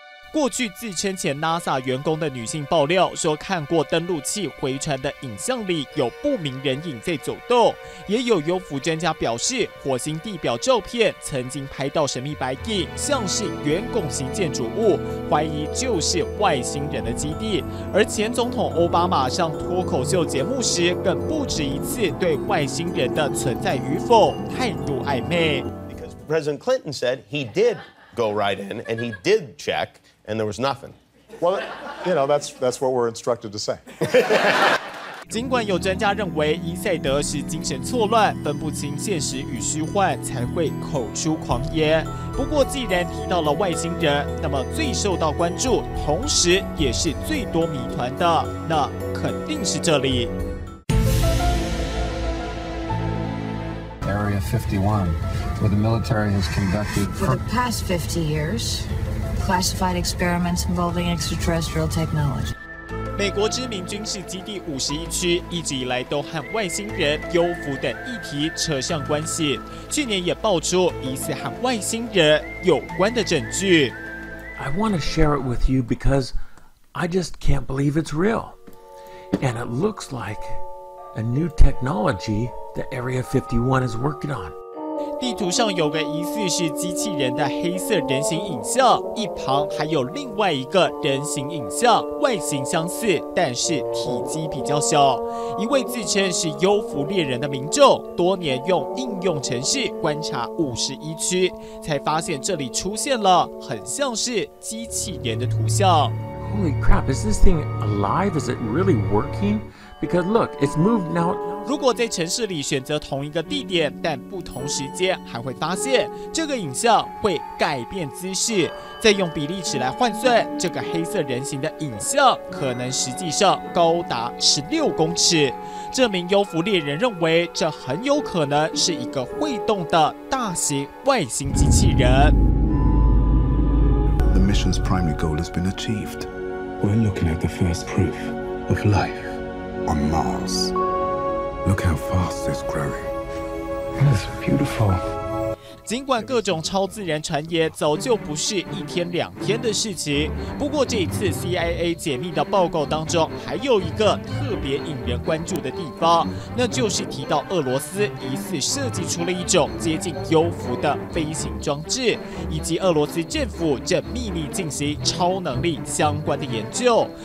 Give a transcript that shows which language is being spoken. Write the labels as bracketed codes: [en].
[zh] 过去自称前 NASA 员工的女性爆料说，看过登陆器回传的影像里有不明人影在走动，也有 UFO 专家表示，火星地表照片曾经拍到神秘白影，像是圆拱形建筑物，怀疑就是外星人的基地。而前总统奥巴马上脱口秀节目时，更不止一次对外星人的存在与否态度暧昧。 [en] Because President Clinton said he did go right in and he did check. And there was nothing. Well, you know, that's what we're instructed to say. [zh] 尽管有专家认为伊赛德是精神错乱，分不清现实与虚幻，才会口出狂言。不过既然提到了外星人，那么最受到关注，同时也是最多谜团的，那肯定是这里。 [en] Area 51, where the military has conducted... For the past 50 years, classified experiments involving extraterrestrial technology. [zh] 美国知名军事基地51区一直以来都和外星人、幽浮等议题扯上关系，去年也爆出疑似和外星人有关的证据。 [en] I want to share it with you because I just can't believe it's real. And it looks like a new technology that Area 51 is working on. [zh] 地图上有个疑似是机器人的黑色人形影像，一旁还有另外一个人形影像，外形相似，但是体积比较小。一位自称是幽浮猎人的民众，多年用应用程式观察51区，才发现这里出现了很像是机器人的图像。 [en] Holy crap, is this thing alive? Is it really working? Because look, it's moved now. [zh] 如果在城市里选择同一个地点，但不同时间，还会发现这个影像会改变姿势。再用比例尺来换算，这个黑色人形的影像可能实际上高达16公尺。这名幽浮猎人认为，这很有可能是一个会动的大型外星机器人。 [en] The mission's primary goal has been achieved. We're looking at the first proof of life on Mars. Look how fast it's growing. It's beautiful. [zh] 尽管各种超自然传言早就不是一天两天的事情，不过这一次 CIA 解密的报告当中，还有一个特别引人关注的地方，那就是提到俄罗斯疑似设计出了一种接近幽浮的飞行装置，以及俄罗斯政府正秘密进行超能力相关的研究。